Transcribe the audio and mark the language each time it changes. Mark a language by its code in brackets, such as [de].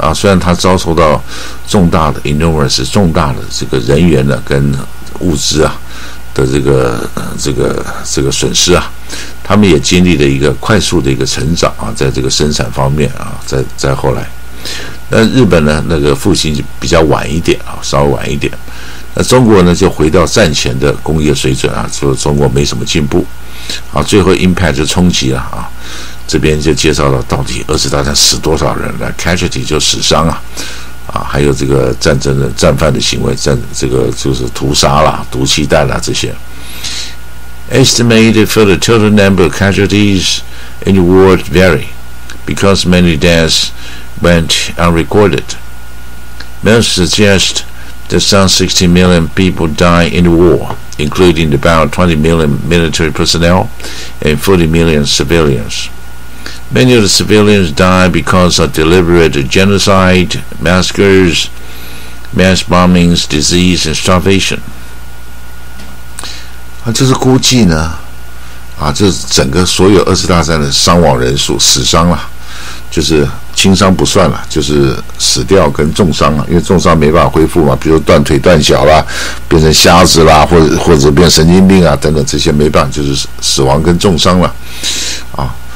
[zh] 啊，虽然它遭受到重大的 enormous 重大的这个人员呢跟物资啊的这个损失啊，他们也经历了一个快速的一个成长啊，在这个生产方面啊，在后来，那日本呢那个复兴比较晚一点啊，稍微晚一点，那中国呢就回到战前的工业水准啊，说中国没什么进步，啊，最后 impact 就冲击了啊。这边就介绍了到底二次大战死多少人了 ，casualty 就死伤啊，啊，还有这个战争的战犯的行为，这个就是屠杀啦、毒气弹啦这些。 [en] Estimated for the total number of casualties in the war vary, because many deaths went unrecorded. Most suggest that some 60 million people died in the war, including about 20 million military personnel and 40 million civilians. Many of the civilians died because of deliberate genocide, massacres, mass bombings, disease, and starvation. [zh] 啊，就是估计呢，啊，就是整个所有二次大战的伤亡人数、死伤了，就是轻伤不算了，就是死掉跟重伤了，因为重伤没办法恢复嘛，比如断腿断脚啦，变成瞎子啦，或者变神经病啊等等，这些没办法，就是死亡跟重伤了，啊。